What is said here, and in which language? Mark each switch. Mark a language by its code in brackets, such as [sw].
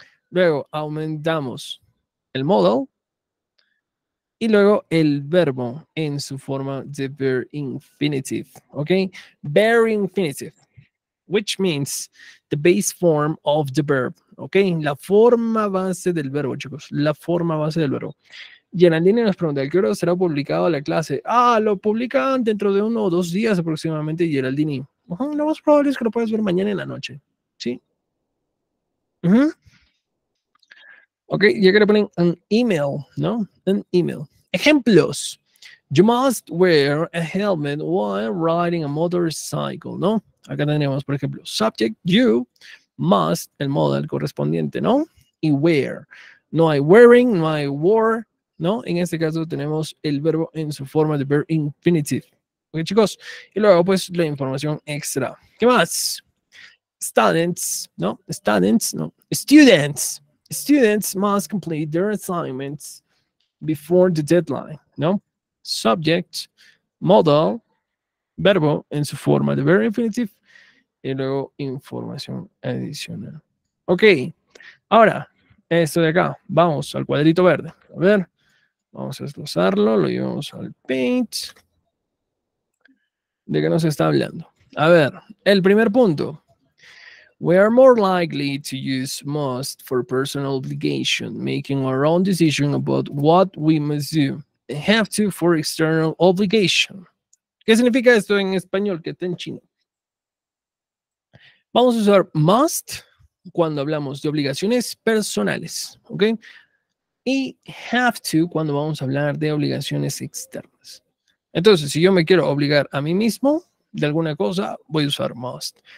[es] Luego aumentamos el modal y luego el verbo en su forma de verb infinitive, ¿ok? [en] Verb infinitive, which means the base form of the verb, [es] ¿ok? La forma base del verbo, chicos, la forma base del verbo. Geraldine nos pregunta, ¿a qué hora será publicado la clase? Ah, lo publican dentro de 1 o 2 días aproximadamente, Geraldine. Lo más probable es que lo puedas ver mañana en la noche, ¿sí? Ok, ya que le ponen un email, ¿no? Un email. Ejemplos. [en] You must wear a helmet while riding a motorcycle, [es] ¿no? Acá tenemos, por ejemplo, subject, you must, el modal correspondiente, ¿no? Y wear. No hay wearing, no hay wore, ¿no? En este caso tenemos el verbo en su forma de verb infinitive. Ok, chicos. Y luego, pues, la información extra. ¿Qué más? Students, ¿no? Students, ¿no? Students. [en] Students must complete their assignments before the deadline, [es] ¿no? Subject, modal, verbo en su forma de verb infinitive y luego información adicional. Ok, ahora, esto de acá, vamos al cuadrito verde. A ver, vamos a desglosarlo, lo llevamos al paint. ¿De qué nos está hablando? A ver, el primer punto. [en] We are more likely to use must for personal obligation, making our own decision about what we must do. Have to for external obligation. [es] ¿Qué significa esto en español que está en chino? Vamos a usar must cuando hablamos de obligaciones personales, ¿ok? Y have to cuando vamos a hablar de obligaciones externas. Entonces, si yo me quiero obligar a mí mismo de alguna cosa, voy a usar must.